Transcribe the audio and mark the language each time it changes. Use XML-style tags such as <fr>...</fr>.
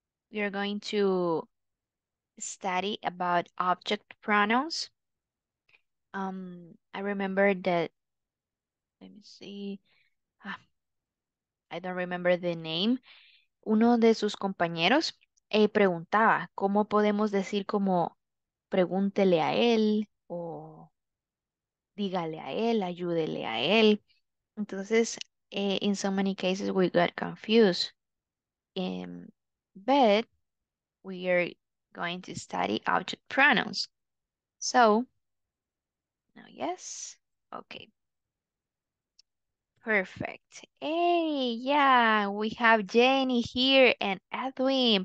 <en>We are going to study about object pronouns. I remember that, let me see, I don't remember the name.</en> <es>Uno de sus compañeros preguntaba, ¿cómo podemos decir como pregúntele a él o dígale a él, ayúdele a él?</es> <en>Entonces, in so many cases we got confused. But we are going to study object pronouns. So, now yes. Okay. Perfect. Hey, yeah, we have Jenny here and Edwin.</en>